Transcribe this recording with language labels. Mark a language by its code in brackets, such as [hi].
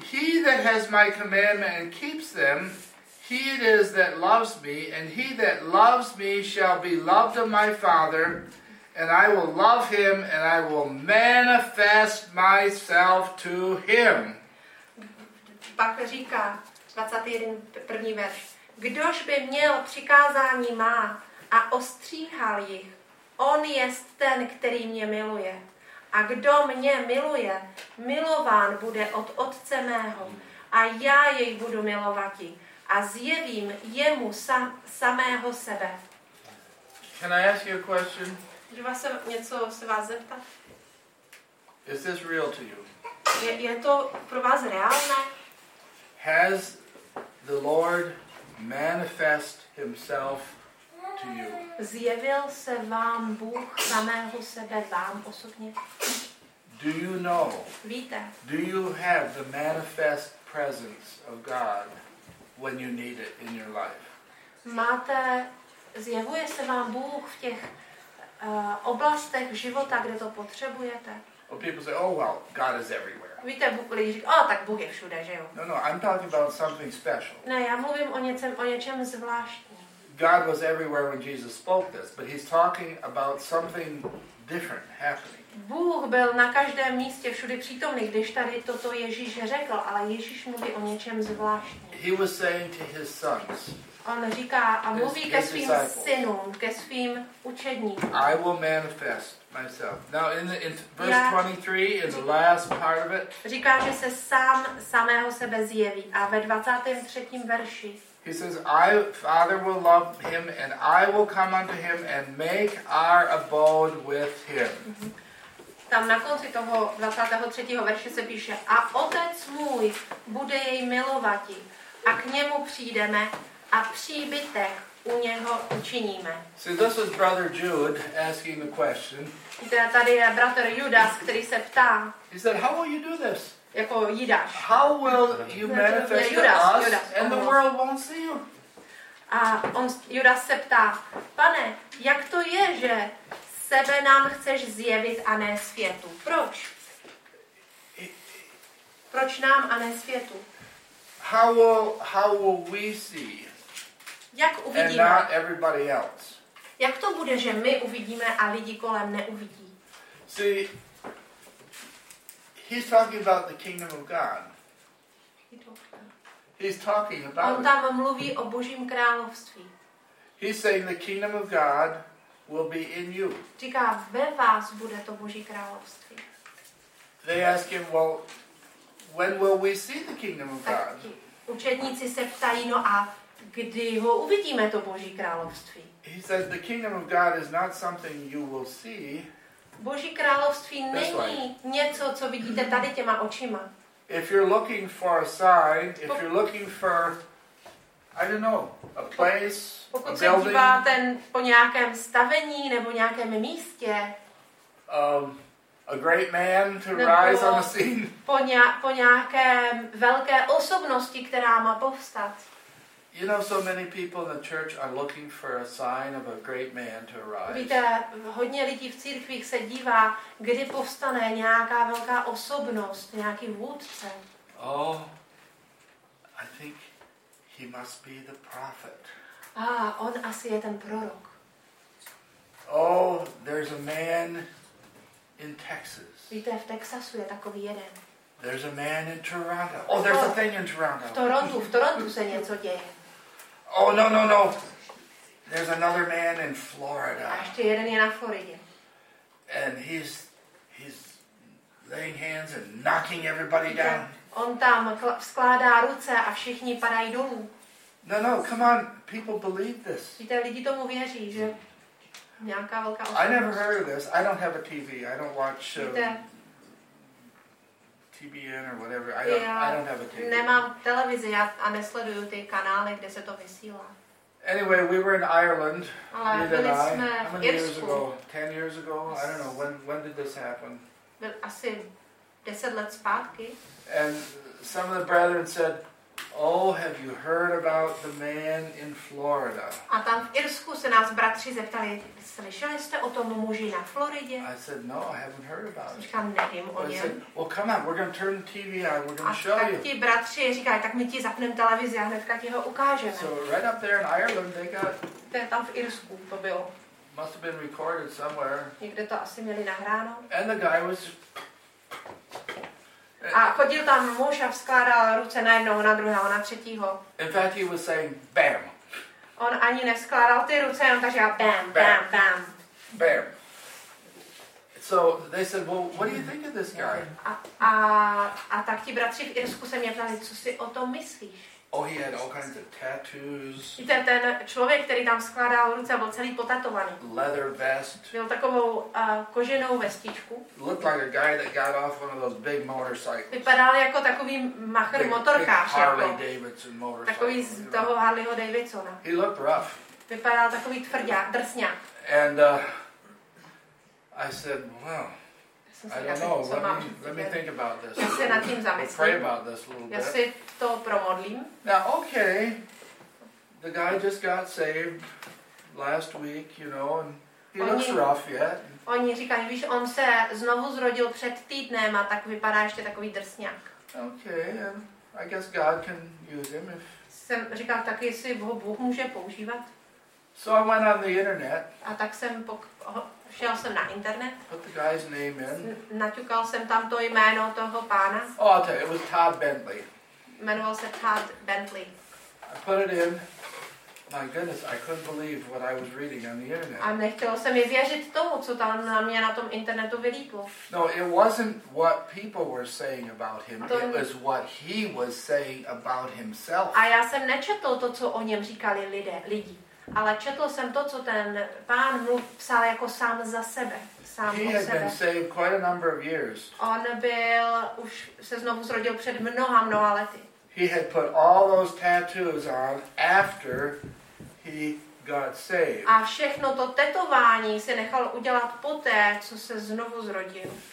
[en] he that has my commandment and keeps them, he it is that loves me, and he that loves me shall be loved of my Father, and I will love him, and I will manifest myself to him. [cs] Pak říká, 21. verš. Kdož by měl přikázání má a ostříhal jich, on jest ten, který mě miluje. A kdo mě miluje, milován bude od Otce mého. A já jej budu milovati a zjevím jemu samého sebe. [en] Can I ask you a question? [cs] Něco se vás zeptat? [en] Is this real to you? [cs] Je to pro vás reálné? [en] Has the Lord manifest himself to you. [cs] Zjevil se vám Bůh samého sebe vám osobně? [en] Do you know? [cs] Víte? [en] Do you have the manifest presence of God when you need it in your life? [cs] Máte, zjevuje se vám Bůh v těch oblastech života, kde to potřebujete? [en] Well, people say, oh well, God is everywhere. [cs] Víte, Bůh, lidi říká, tak Bůh je všude, že jo? [en] No, I'm talking about something special. [cs] Ne, já mluvím o něčem zvláštním. [en] God was everywhere when Jesus spoke this, but he's talking about something different happening. [cs] Bůh byl na každém místě všude přítomný, když tady toto Ježíš řekl, ale Ježíš mluví o něčem zvláštním. [en] He was saying to his sons. [cs] On říká a mluví ke svým synům, ke svým učedníkům. [en] I will manifest myself. Now in verse 23 in the last part of it. [cs] Říká, že se sám samého sebe zjeví a ve 23. verši. [en] He says I Father will love him and I will come unto him and make our abode with him. [cs] Tam na konci toho 23. verše se píše a Otec můj bude jej milovati a k němu přijdeme a příbytek u něho učiníme. [en] So this is brother Jude asking the question. [cs] Tady je bratr Judas, který se ptá. [en] He said, how will you do this? [cs] Jako Jidáš. [en] How will you manifest Judas, and the world won't see you? [cs] A on, Judas se ptá, pane, jak to je, že sebe nám chceš zjevit a ne světu? Proč? Proč nám a ne světu? [en] How will we see? [cs] Jak uvidíme? [en] And not everybody else. [cs] Jak to bude, že my uvidíme a lidi kolem neuvidí? [en] See, he's talking about the kingdom of God. He's talking about. [cs] On tam mluví o Božím království. [en] He's saying the kingdom of God will be in you. [cs] Říká, ve vás bude to Boží království. [en] They ask him, well, when will we see the kingdom of God? [cs] Učedníci se ptají, no a kdy ho uvidíme to Boží království? [en] He says the kingdom of God is not something you will see. [cs] Boží království není něco, co vidíte tady těma očima. [en] If you're looking for a sign, if you're looking for, I don't know, a place, [cs] pokud [en] a building. [cs] Pokud se díváte po nějakém stavení nebo nějakém místě. [en] A great man to rise on the scene. [cs] Po nějaké velké osobnosti, která má povstat. [en] You know, so many people in the church are looking for a sign of a great man to arise. [cs] Víte, hodně lidí v církvích se dívá, kdy povstane nějaká velká osobnost, nějaký vůdce. [en] Oh, I think he must be the prophet. [cs] Ah, on asi je ten prorok. [en] Oh, there's a man in Texas. [cs] Víte, v Texasu je takový jeden. [en] There's a man in Toronto. Oh, there's a thing in Toronto. [cs] V Torontu se něco děje. [en] Oh, no. There's another man in Florida. [cs] A ještě jeden je na Floridě. [en] And he's laying hands and knocking everybody down. [cs] On tam skládá ruce a všichni padají dolů. [en] No, come on. People believe this. [cs] Víte, lidi tomu věří, že nějaká velká osobnost. [en] I never heard of this. I don't have a TV. I don't watch TBN or whatever. I don't have a TV. [cs] Nemám televizi a nesleduju ty kanály, kde se to vysílá. [en] Anyway, we were in Ireland. [cs] Ale Lida byli [en] and I. [cs] Jsme [en] How many years ago? 10 years ago? I don't know. When did this happen? [cs] Byl asi 10 let zpátky. [en] And some of the brethren said, oh, have you heard about the man in Florida? [cs] A tam v Irsku se nás bratři zeptali, slyšeli jste o tom muži na Floridě? [en] I said, no, I haven't heard about it. [cs] Říkám, nevím o něm. [en] Well, come on, we're going to turn the TV on, we're going to show you. [cs] A ti bratři říkají, tak my ti zapneme televizi a hnedka ti ho ukážeme. [en] So right up there in Ireland, they got... [cs] To je tam v Irsku, to bylo. [en] Must have been recorded somewhere. [cs] Někde to asi měli nahráno. [en] And the guy was... [cs] A chodil tam muž a vzkládal ruce na jednoho, na druhého, na třetího. [en] In fact, he was saying, bam. [cs] On ani nevzkládal ty ruce, on tak říkal bam, bam, bam, bam. Bam. [en] So they said, well, what do you think of this guy? [cs] A tak ti bratři v Irsku se mě ptali, co si o tom myslíš? [en] Oh, he had all kinds of tattoos. [cs] Víte, ten člověk, který tam skládal ruce, byl celý potatovaný. [en] Leather vest. [cs] Měl takovou koženou vestičku. [en] Looked like a guy that got off one of those big motorcycles. [cs] Vypadal jako takový machr motorkář. [en] Big Harley Davidson motorcycle. [cs] Takový z toho Harleyho Davidsona. [en] He looked rough. [cs] Vypadal takový tvrdák, drsňák. [en] And I said, well... I don't know. Let me think about this. [cs] Já se nad tím zamyslím. [en] Pray about this a little bit. [cs] Já si to promodlím. [en] Now, okay, the guy just got saved last week, you know, and he looks rough yet. [cs] Oni říkají, víš, on se znovu zrodil před týdnem a tak vypadá ještě takový drsňák. [en] Okay, and I guess God can use him if. [cs] Jsem říkal, tak jestli ho Bůh může používat. [en] So I went on the internet. [cs] A tak jsem šel jsem na internet. [en] Put the guy's name in. [cs] Naťukal jsem tam to jméno toho pána. [en] Oh, I'll tell you, it was Todd Bentley. [cs] Jmenoval se Todd Bentley. [en] I put it in. My goodness, I couldn't believe what I was reading on the internet. [cs] A nechtěl jsem i věřit tomu, co tam na mě na tom internetu vylítlo. [en] No, it wasn't what people were saying about him, it was what he was saying about himself. [cs] A já jsem nečetl to, co o něm říkali lidi. Ale četl jsem to, co ten pán psal jako sám za sebe, sám [en] He [cs] o [en] had [cs] sebe. [en] Been saved quite a number of years. [cs] On byl už se znovu zrodil před mnoha lety. [en] He had put all those tattoos on after he got saved. [cs] A všechno to tetování si nechal udělat poté, co se znovu zrodil.